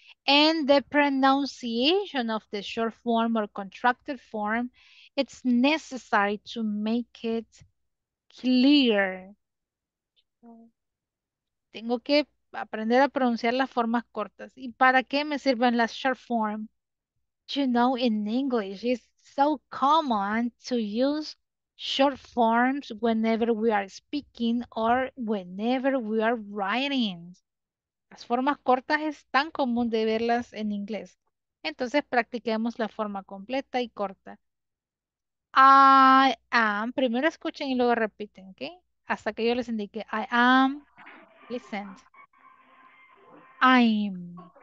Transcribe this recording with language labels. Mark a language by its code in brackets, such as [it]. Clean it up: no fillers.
[en] And the pronunciation of the short form or contracted form, it's necessary to make it clear. [es] Tengo que aprender a pronunciar las formas cortas. ¿Y para qué me sirven las short form? [en] You know, in English, it's so common to use short forms whenever we are speaking or whenever we are writing. [es] Las formas cortas es tan común de verlas en inglés. Entonces, practiquemos la forma completa y corta. [en] I am. [es] Primero escuchen y luego repiten, ¿ok? Hasta que yo les indique. [en] I am. Listen. I'm.